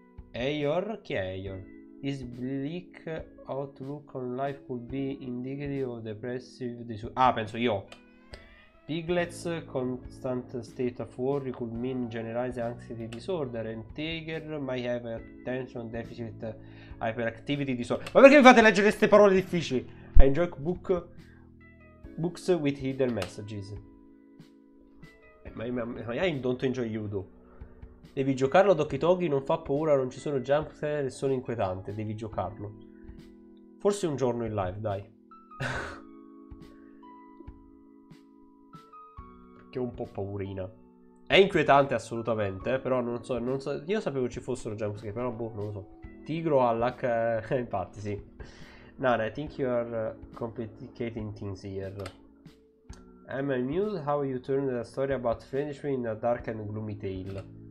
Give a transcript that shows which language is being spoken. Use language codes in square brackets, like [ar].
[en] Eeyore? [it] Chi è Eeyore? [en] His bleak outlook on life could be indicative of depressive disorder. [it] Ah, penso io. [en] Piglet's constant state of worry could mean generalized anxiety disorder. And Tiger might have attention deficit hyperactivity disorder. [it] Ma perché mi fate leggere queste parole difficili? [en] I enjoy book. Books with hidden messages. [it] Ma [en] I don't enjoy judo. [it] Devi giocarlo a Doki Togi, non fa paura, non ci sono jumpscare, è solo inquietante. Devi giocarlo. Forse un giorno in live, dai. Perché ho un po' paurina. È inquietante assolutamente, però non so. Io sapevo ci fossero jumpscare, però boh, non lo so. Tigro Allak, infatti sì. [en] Nana, I think you are complicating things here. I'm amused how you turned the story about friendship in a dark and gloomy tale.